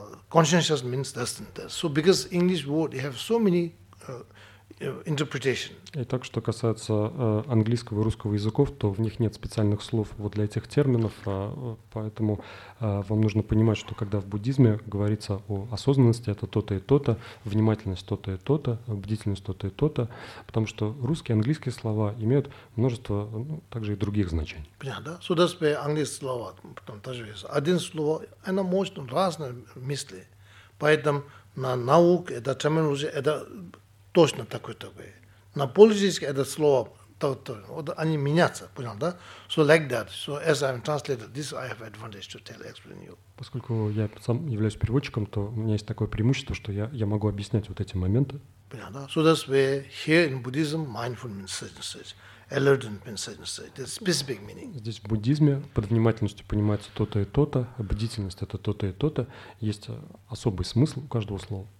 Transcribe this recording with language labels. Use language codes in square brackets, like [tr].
[en] Consciousness means this and that. So because English word, they have so many… interpretation. [ru] Итак, что касается английского и русского языков, то в них нет специальных слов вот для этих терминов, поэтому вам нужно понимать, что когда в буддизме говорится о осознанности, это то-то и то-то, внимательность то-то и то-то, бдительность то-то и то-то, потому что русские и английские слова имеют множество, ну, также и других значений. Понятно, да? [en] So that's why [ru] английские слова, потом тоже есть. Один слово, оно может разные мысли, поэтому на науке это терминология, это точно такой. На политическом это слово они меняются, понял, да? [en] So like that. So as I'm translator, this I have advantage to tell, explain you. [ru] Поскольку я сам являюсь переводчиком, то у меня есть такое преимущество, что я могу объяснять вот эти моменты. Понял, да? [en] So that's where here in Buddhism, mindfulness, mindfulness, alertness, mindfulness, that's specific meaning. [ru] Здесь в буддизме под внимательностью понимается то-то и то-то, а бдительность это то-то и то-то. Есть особый смысл у каждого слова.